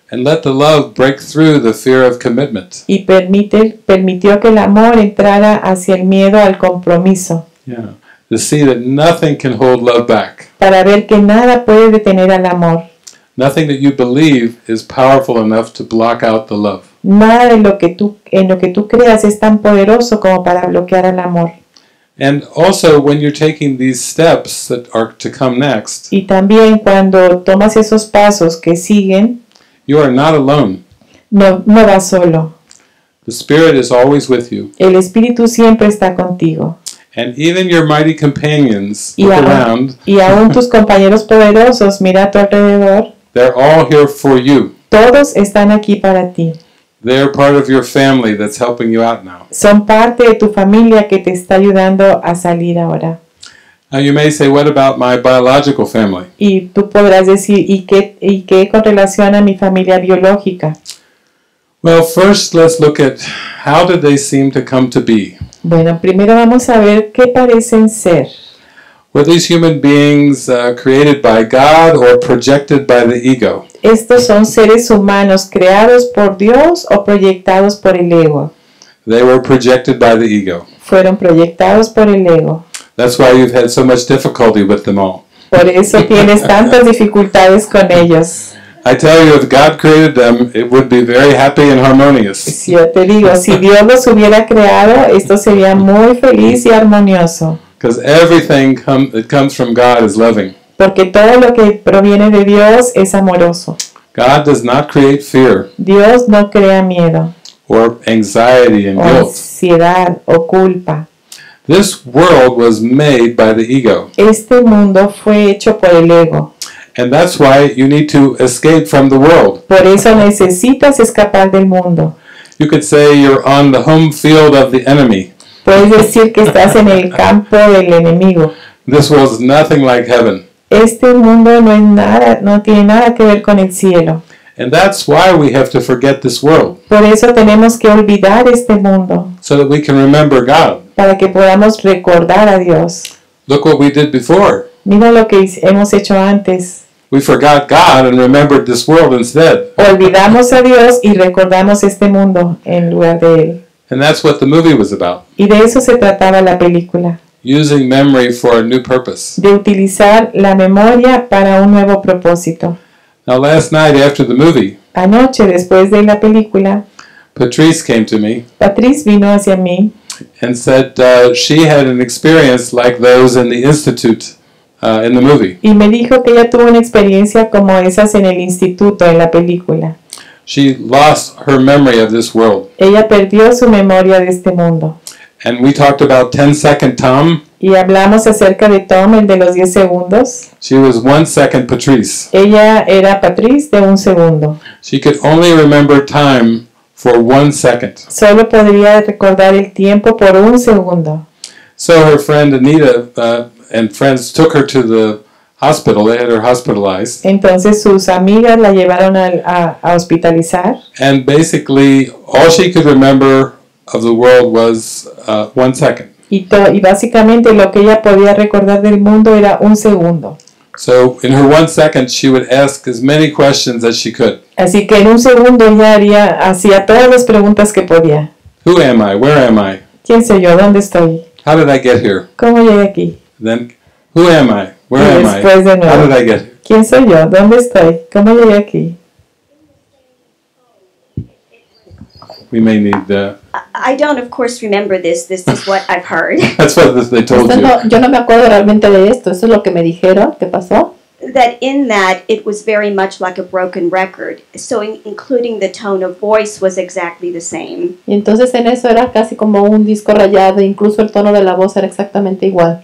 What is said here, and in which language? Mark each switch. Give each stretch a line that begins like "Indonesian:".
English: And let the love break through the fear of commitment.
Spanish: Y permitió que el amor entrara hacia el miedo al compromiso.
English: Yeah. To see that nothing can hold love back.
Spanish: Para ver que nada puede detener al amor.
English: Nothing that you believe is powerful enough to block out the love.
Spanish: Nada de lo que tú creas es tan poderoso como para bloquear al amor.
English: And also when you're taking these steps that are to come next.
Spanish: Y también cuando tomas esos pasos que siguen.
English: You are not alone.
Spanish: No vas solo.
English: The Spirit is always with you.
Spanish: El Espíritu siempre está contigo.
English: And even your mighty companions look around.
Spanish: Y aún tus compañeros poderosos, mira a tu alrededor.
English: They're all here for you.
Spanish: Todos están aquí para ti.
English: They're part of your family that's helping you out now.
Spanish: Son parte de tu familia que te está ayudando a salir ahora.
English: Now you may say, what about my biological family?
Spanish: Y tú podrás decir, ¿y qué con relación a mi familia biológica?
English: Well, first let's look at how did they seem to come to be.
Spanish: Bueno, primero vamos a ver qué parecen ser.
English: Were these human beings created by God or projected by the ego?
Spanish: ¿Estos son seres humanos creados por Dios o proyectados por el ego?
English: They were projected by the ego.
Spanish: Fueron proyectados por el ego.
English: That's why you've had so much difficulty with them all.
Spanish: Por eso tienes tantas dificultades con ellos.
English: I tell you, if God created them, it would be very happy and harmonious.
Spanish: Si yo te digo, si Dios los hubiera creado, esto sería muy feliz y armonioso.
English: Because everything that comes from God is loving.
Spanish: Porque todo lo que proviene de Dios es amoroso.
English: God does not create fear.
Spanish: Dios no crea miedo.
English: Or anxiety and guilt.
Spanish: O ansiedad o culpa.
English: This world was made by the ego.
Spanish: Este mundo fue hecho por el ego.
English: And that's why you need to escape from the world.
Spanish: Por eso necesitas escapar del mundo.
English: You could say you're on the home field of the enemy.
Spanish: Puedes decir que estás en el campo del enemigo.
English: This world is nothing like heaven.
Spanish: Este mundo no es nada, no tiene nada que ver con el cielo.
English: And that's why we have to forget this world.
Spanish: Por eso tenemos que olvidar este mundo.
English: So that we can remember God.
Spanish: Para que podamos recordar a Dios.
English: Look what we did before.
Spanish: Mira lo que hemos hecho antes.
English: We forgot God and remembered this world instead.
Spanish: Olvidamos a Dios y recordamos este mundo en lugar de él.
English: And that's what the movie was about.
Spanish: Y de eso se trataba la película.
English: Using memory for a new purpose.
Spanish: De utilizar la memoria para un nuevo propósito.
English: Now last night after the movie.
Spanish: Anoche después de la película.
English: Patrice came to me.
Spanish: Patrice vino hacia mí.
English: And said she had an experience like those in the institute in the movie.
Spanish: Y me dijo que ella tuvo una experiencia como esas en el instituto en la película.
English: She lost her memory of this world.
Spanish: Ella perdió su memoria de este mundo.
English: And we talked about 10-second Tom.
Spanish: Y hablamos acerca de Tom, el de los 10 segundos.
English: She was 1-second Patrice.
Spanish: Ella era Patrice de un segundo.
English: She could only remember time for 1 second.
Spanish: Solo podría recordar el tiempo por un segundo.
English: So her friend Anita and friends took her to the hospital. They had her hospitalized.
Spanish: Entonces sus amigas la llevaron a hospitalizar.
English: And basically all she could remember of the world was 1 second.
Spanish: Y básicamente lo que ella podía recordar del mundo era un segundo.
English: So in her 1 second she would ask as many questions as she could.
Spanish: Así que en un segundo ella hacía todas las preguntas que podía.
English: Who am I? Where am I?
Spanish: ¿Quién soy yo? ¿Dónde estoy?
English: How did I get here?
Spanish: ¿Cómo llegué aquí?
English: Then who am I? Where am I?
Spanish: Después de nuevo.
English: How did I get here?
Spanish: ¿Quién soy yo? ¿Dónde estoy? ¿Cómo llegué aquí?
English: We may need the. I don't, of course, remember this. This is what I've heard. That's what they told you.
Spanish: Yo no me acuerdo realmente de esto. Eso es lo que me dijeron. ¿Qué pasó?
English: that in that it was very much like a broken record. So including the tone of voice was exactly the same.
Spanish: Y entonces en eso era casi como un disco rayado, incluso el tono de la voz era exactamente igual.